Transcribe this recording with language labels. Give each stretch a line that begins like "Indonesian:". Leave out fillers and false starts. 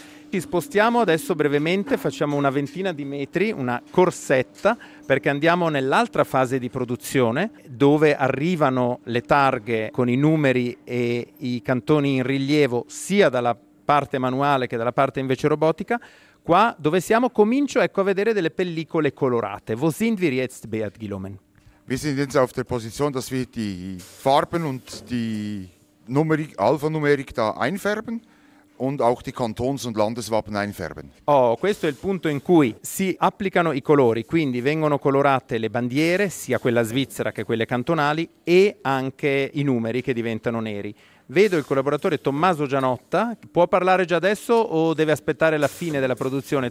Italian: Ci spostiamo adesso brevemente, facciamo una ventina di metri, una corsetta, perché andiamo nell'altra fase di produzione, dove arrivano le targhe con i numeri e i cantoni in rilievo sia dalla parte manuale che dalla parte invece robotica. Qua dove siamo comincio, ecco, a vedere delle pellicole colorate.
German: Wo sind wir jetzt, Beat Gilomen? Wir sind jetzt auf der Position, dass wir die Farben und die Numerik, Alphanumerik da einfärben und auch die Kantons- und Landeswappen einfärben.
Italian: Oh, questo è il punto in cui si applicano i colori, quindi vengono colorate le bandiere, sia quella svizzera che quelle cantonali, e anche i numeri che diventano neri. Vedo il collaboratore Tommaso Gianotta. Può parlare già adesso o deve aspettare la fine della produzione?